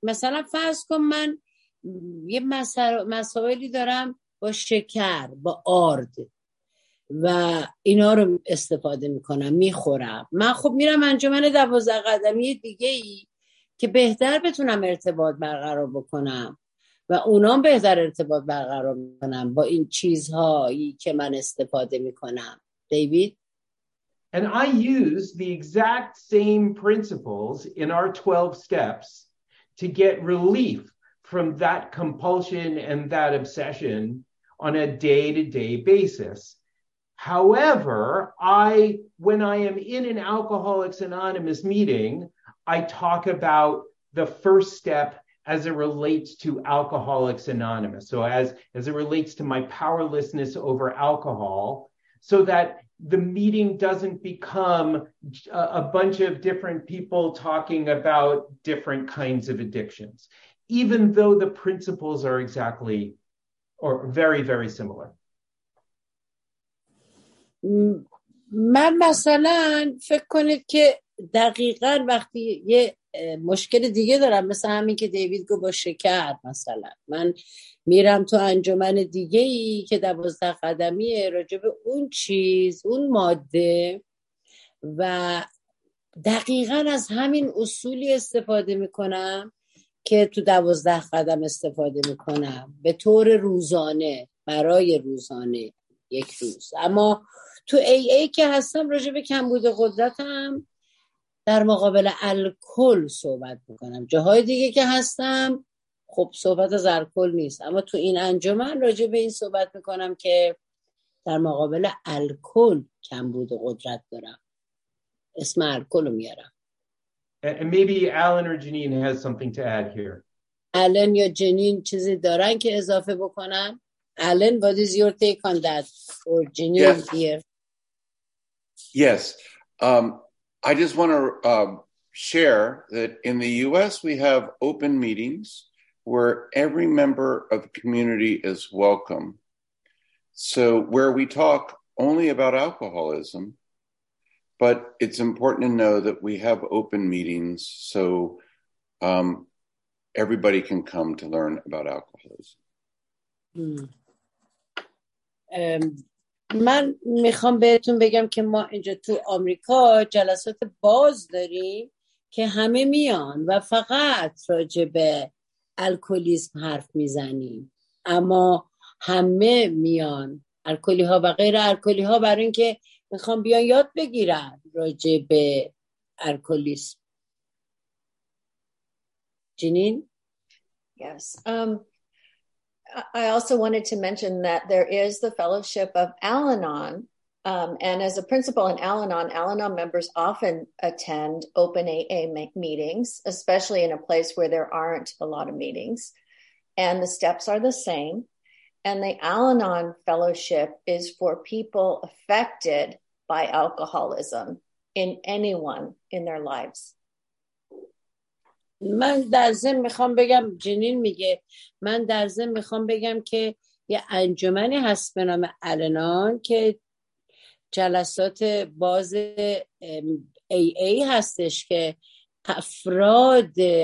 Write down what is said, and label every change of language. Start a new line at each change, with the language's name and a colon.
Persian: مثلا فرض کن من یه مسائلی دارم با شکر، با آرد و اینا رو استفاده میکنم، میخورم. من خب میرم انجمن 12 قدمی دیگه ای که بهتر بتونم ارتباط برقرار بکنم و اونام بهتر ارتباط برقرار میکنم با این چیزهایی که من استفاده میکنم. دیوید؟
English: And I use the exact same principles in our 12 steps to get relief from that compulsion and that obsession on a day-to-day basis. However, when I am in an Alcoholics Anonymous meeting, I talk about the first step as it relates to Alcoholics Anonymous. So as it relates to my powerlessness over alcohol, so that the meeting doesn't become a bunch of different people talking about different kinds of addictions, even though the principles are exactly or very, very similar.
Persian: من مثلا فکر کنید که دقیقا وقتی یه مشکل دیگه دارم، مثلا همین که دیوید گفت با شکر، مثلا من میرم تو انجمن دیگه ای که 12 قدمیه راجب اون چیز، اون ماده، و دقیقا از همین اصولی استفاده میکنم که تو 12 قدم استفاده میکنم به طور روزانه، برای روزانه یک روز. اما تو ای که هستم راجع به کمبود قدرتم در مقابل الکل صحبت میکنم. جاهای دیگه که هستم خب صحبت از الکل نیست، اما تو این انجمن راجع به این صحبت میکنم که در مقابل الکل کمبود قدرت دارم، اسم الکل رو میارم.
English: And maybe Alan or Janine has something to add here.
Persian: Alan یا Janine چیزی دارن که اضافه بکنم؟ Alan,
English: what is your take on that? Or Janine here? Yes. I just want to share that in the U.S. we have open meetings where every member of the community is welcome. So where we talk only about alcoholism, but it's important to know that we have open meetings so everybody can come to learn about alcoholism. Hmm.
Persian: من میخوام بهتون بگم که ما اینجا تو آمریکا جلسات باز داریم که همه میان و فقط راجع به الکلیسم حرف میزنیم، اما همه میان، الکلی ها و غیر الکلی ها، برای اینکه میخوام بیان یاد بگیرن راجع به الکلیسم. جنین؟
English: Yes. I also wanted to mention that there is the fellowship of Al-Anon, and as a principal in Al-Anon, Al-Anon members often attend open AA meetings, especially in a place where there aren't a lot of meetings, and the steps are the same, and the Al-Anon fellowship is for people affected by alcoholism in anyone in their lives.
Persian: من در ضمن میخوام بگم، جنین میگه، من در ضمن میخوام بگم که یه انجمنی هست به نام الانان که جلسات باز ای ای هستش که افراد